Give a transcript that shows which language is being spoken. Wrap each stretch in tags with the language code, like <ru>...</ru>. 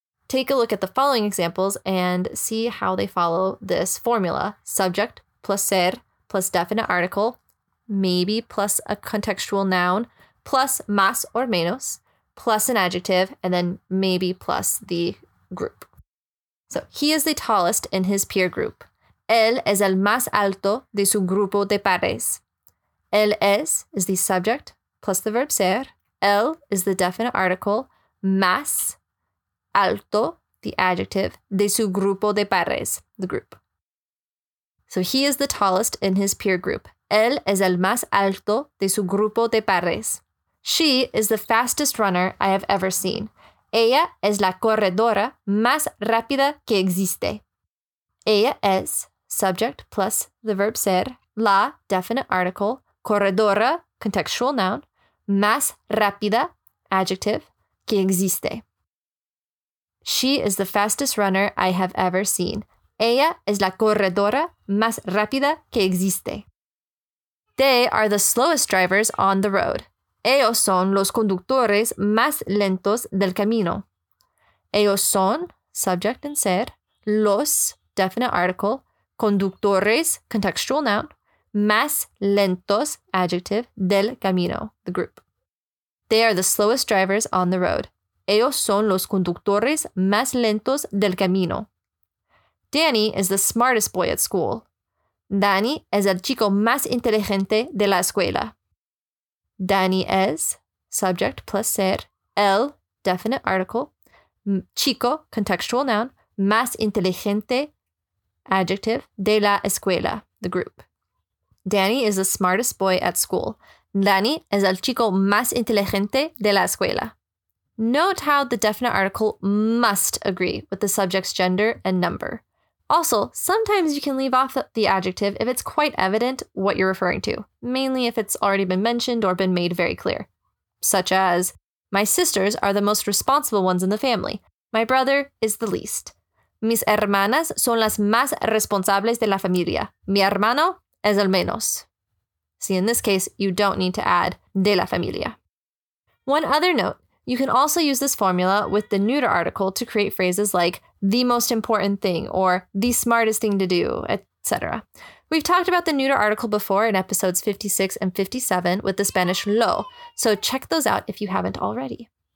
<en>Take a look at the following examples and see how they follow this formula. Subject plus ser plus definite article, maybe plus a contextual noun, plus</en> <es>más o menos,</es> <en>plus an adjective, and then maybe plus the group. So he is the tallest in his peer group.</en> <es>Él es el más alto de su grupo de pares.</es> <en>Él is the subject plus the verb ser. Él is the definite article.</en> <es>Más alto,</es> <en>the adjective,</en> <es>de su grupo de pares,</es> <en>the group. So he is the tallest in his peer group.</en> <es>Él es el más alto de su grupo de pares.</es> <en>She is the fastest runner I have ever seen.</en> <es>Ella es la corredora más rápida que existe. Ella es,</es> <en>subject plus the verb ser, la, definite article,</en> <es>corredora,</es> <en>contextual noun,</en> <es>más rápida,</es> <en>adjective,</en> <es>que existe.</es> <en>She is the fastest runner I have ever seen.</en> <es>Ella es la corredora más rápida que existe.</es> <en>They are the slowest drivers on the road.</en> <es>Ellos son los conductores más lentos del camino. Ellos son,</es> <en>subject and ser, los, definite article,</en> <es>conductores,</es> <en>contextual noun,</en> <es>más lentos,</es> <en>adjective,</en> <es>del camino,</es> <en>the group. They are the slowest drivers on the road.</en> <es>Ellos son los conductores más lentos del camino.</es> <en>Danny is the smartest boy at school.</en> <es>Danny es el chico más inteligente de la escuela. Danny es,</es> <en>subject plus ser, el, definite article,</en> <es>chico,</es> <en>contextual noun,</en> <es>más inteligente,</es> <en>adjective,</en> <es>de la escuela,</es> <en>the group. Danny is the smartest boy at school.</en> <es>Danny es el chico más inteligente de la escuela.</es> <en>Note how the definite article must agree with the subject's gender and number. Also, sometimes you can leave off the adjective if it's quite evident what you're referring to, mainly if it's already been mentioned or been made very clear. Such as, my sisters are the most responsible ones in the family. My brother is the least.</en> <es>Mis hermanas son las más responsables de la familia. Mi hermano es el menos.</es> <en>See, in this case, you don't need to add</en> <es>de la familia.</es> <en>One other note, you can also use this formula with the neuter article to create phrases like the most important thing or the smartest thing to do, etc. We've talked about the neuter article before in episodes 56 and 57 with the Spanish lo, so check those out if you haven't already.</en>